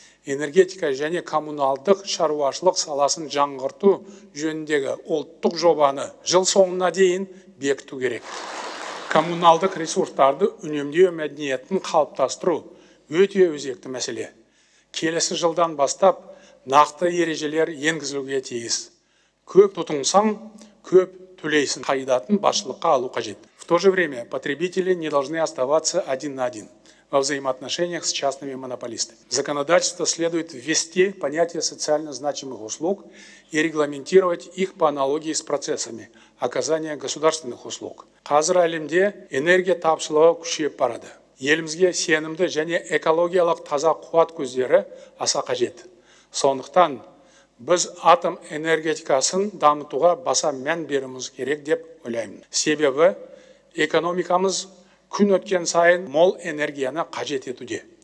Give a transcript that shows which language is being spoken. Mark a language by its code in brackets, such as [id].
[kk] Энергетика және коммуналдық шаруашылық саласын жаңғырту жөніндегі ұлттық жобаны жыл соңына дейін бекіту керек. Коммуналдық ресурстарды үнемдеу мәдениетін қалыптастыру өте өзекті мәселе. Келесі жылдан бастап нақты ережелер енгізілуге тиіс. Көп тұтынсаң, көп төлейсің қағидатын басшылыққа алу қажет. [ru] В то же время потребители не должны оставаться один на один во взаимоотношениях с частными монополистами. В законодательство следует ввести понятие социально значимых услуг и регламентировать их по аналогии с процессами оказания государственных услуг. [kk] Қазір әлемде энергия тапшылығы күшейіп барады. Елімізге сенімді және экологиялық таза қуат көздері аса қажет. Сондықтан біз атом энергетикасын дамытуға баса мән беруіміз керек деп ойлаймын. Себебі экономикамыз күн өткен сайын мол энергияны қажет етуде.